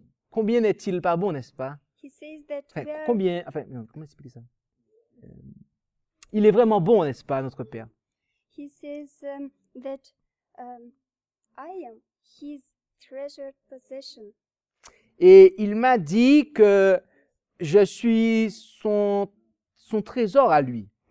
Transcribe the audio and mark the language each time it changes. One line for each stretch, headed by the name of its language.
French: Combien n'est-il pas bon, n'est-ce pas?
English: He says that
French: comment expliquer ça? Il est vraiment bon, n'est-ce pas, notre père?
English: He says that I am his treasured possession.
French: Et il m'a dit que je suis son trésor à lui.